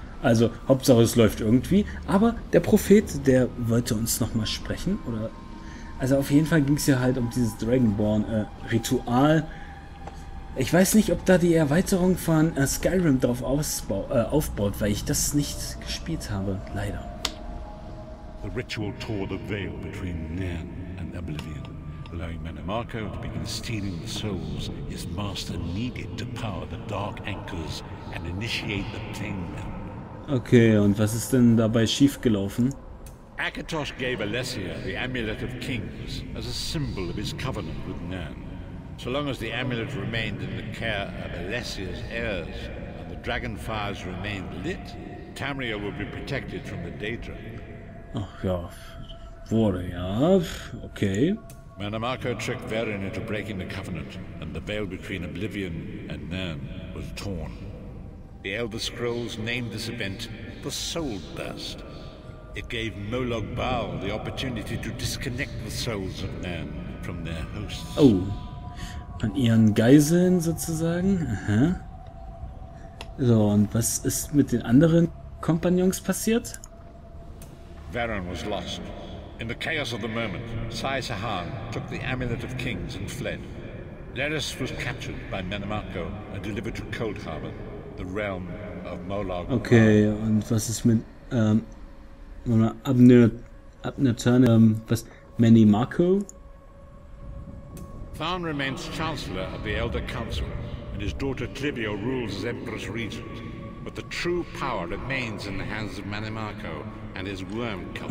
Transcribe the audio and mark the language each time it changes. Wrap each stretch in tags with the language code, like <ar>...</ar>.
<de>Also, Hauptsache es läuft irgendwie. Aber der Prophet, der wollte uns nochmal sprechen. Oder? Also auf jeden Fall ging es ja halt um dieses Dragonborn-Ritual. Ich weiß nicht, ob da die Erweiterung von Skyrim drauf aufbaut, weil ich das nicht gespielt habe, leider.</de> <en>The ritual tore the veil between Nern and Oblivion, allowing Manimarco to begin stealing the souls his master needed to power the dark anchors and initiate the plane.</en> <de>Okay, und was ist denn dabei schiefgelaufen?</de> <en>Akatosh gave Alessia the Amulet of Kings as a symbol of his covenant with Nern. So long as the amulet remained in the care of Alessia's heirs and the dragon fires remained lit, Tamriel would be protected from the Daedra.</en> <de>Ach ja, wurde ja, okay.</de> <en>Manimarco tricked Varin into breaking the covenant and the veil between Oblivion and Nern was torn. The Elder Scrolls named this event the Soul Burst. It gave Molag Bal the opportunity to disconnect the souls of Nern from their hosts. Oh.</en> <de>An ihren Geiseln sozusagen. Aha. So, und was ist mit den anderen Kompagnons passiert?</de> <en>Varen was lost, In the chaos of the moment, Sai Sahan took the Amulet of Kings and fled. Laris was captured by Menemako and delivered to Cold Harbor, the realm of Molag.</en> <de>Okay, und was ist mit Abner Turner, was Menemako?</de> <en>Thaun remains Chancellor of the Elder Council, and his daughter Clivio rules as Empress Regent. But the true power remains in the hands of Menemako and his worm cult.</en>